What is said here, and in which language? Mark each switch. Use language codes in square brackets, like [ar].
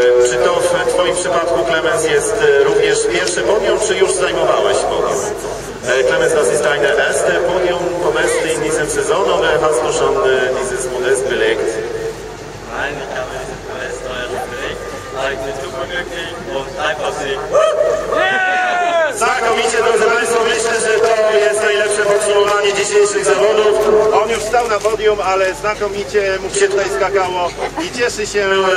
[pl] Czy to w twoim przypadku, Clemens, jest również pierwszy podium, czy już zajmowałeś podium? [de] Clemens, das ist deine erste Podium vom ersten in diesem Saison, oder hast du schon dieses Modest belegt? Nein, ich habe dieses Modest belegt. Eigentlich super glücklich und einfach sicher. Yeah! [pl] Znakomicie, drodzy Państwo, myślę, że to jest najlepsze podsumowanie dzisiejszych zawodów. On już stał na podium, ale znakomicie mu się tutaj skakało i cieszy się